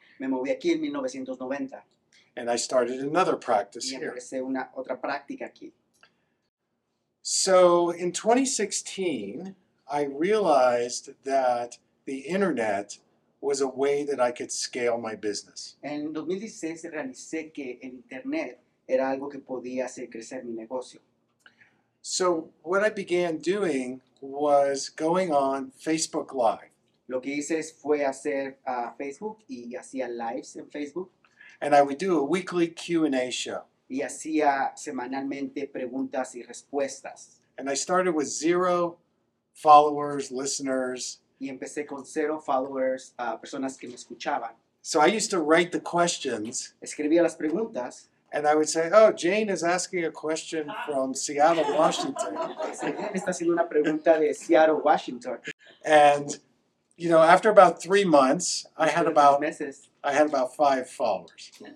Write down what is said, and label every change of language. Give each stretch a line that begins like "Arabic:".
Spanish: Me moví aquí en 1990.
English: And I started another practice here.
Spanish: Y empecé una otra práctica aquí.
English: So in 2016, I realized that the internet was a way that I could scale my business.
Spanish: En 2016 realicé que el internet era algo que podía hacer crecer mi negocio.
English: So what I began doing was going on Facebook Live.
Spanish: Lo que hice fue hacer Facebook y hacía lives en Facebook.
English: And I would do a weekly Q&A show.
Spanish: Y hacía semanalmente preguntas y respuestas.
English: And I started with zero followers, listeners.
Spanish: Y empecé con cero followers, personas que me escuchaban.
English: So I used to write the questions.
Spanish: Escribía las preguntas.
English: And I would say, oh, Jane is asking a question from Seattle, Washington.
Spanish: Está haciendo una pregunta de Seattle, Washington.
English: And you know, after about 3 months, I had about five followers.